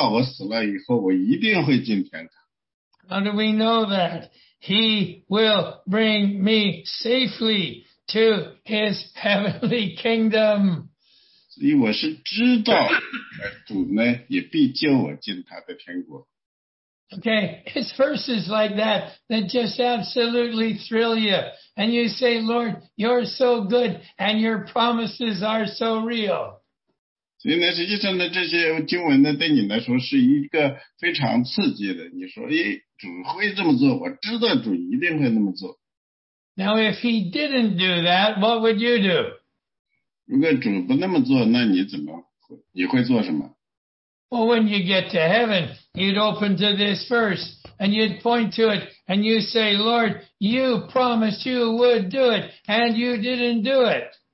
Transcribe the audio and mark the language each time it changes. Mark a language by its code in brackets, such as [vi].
[zh] 所以我说不是的，我不是说我死后我希望我进天堂，因为我知道我死了以后我一定会进天堂。 [en] How do we know that? He will bring me safely to his heavenly kingdom. [zh] 所以我是知道主呢也必救我进他的天国。 [en] Okay, it's verses like that that just absolutely thrill you. And you say, Lord, you're so good and your promises are so real. [zh] 所以呢，实际上呢，这些经文呢，对你来说是一个非常刺激的。你说，哎，主会这么做，我知道主一定会那么做。 [en] Now, if he didn't do that, what would you do? [zh] 如果主不那么做，那你怎么，你会做什么？ [en] Well, when you get to heaven, you'd open to this verse, and you'd point to it, and you say, Lord, you promised you would do it, and you didn't do it.